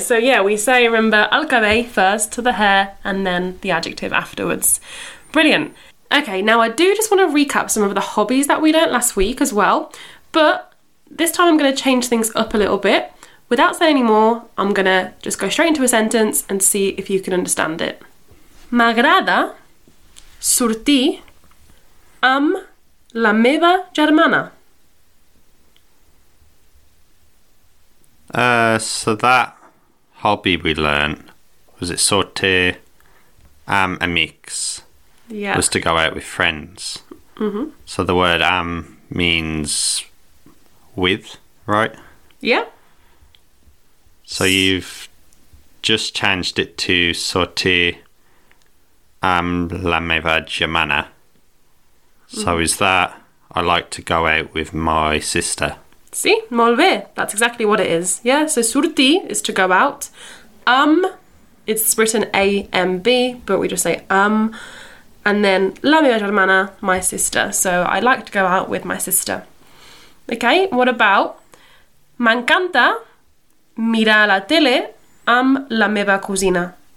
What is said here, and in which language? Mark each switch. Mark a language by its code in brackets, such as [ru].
[en] So yeah, we say, remember, [ca] al cabell [en] first to the hair and then the adjective afterwards. Brilliant. Okay, now I do just want to recap some of the hobbies that we learnt last week as well, but this time I'm going to change things up a little bit. Without saying any more, I'm going to just go straight into a sentence and see if you can understand it. [ca] M'agrada sortir amb la meva germana. [en] So that hobby we learnt, was it [ca] sortir amics? [en] Yeah. Was to go out with friends. Mm-hmm. So the word means with, right? Yeah. So you've just changed it to [ca] sortir la meva germana. [en] So is that, I like to go out with my sister. [ca] Sí, molt bé. [en] That's exactly what it is. Yeah, so sortir is to go out. It's written A-M-B, but we just say And then [ca] la meva germana, [en] my sister. So I like to go out with my sister. Okay, what about... [ca] M'encanta mirar la tele amb la meva cosina.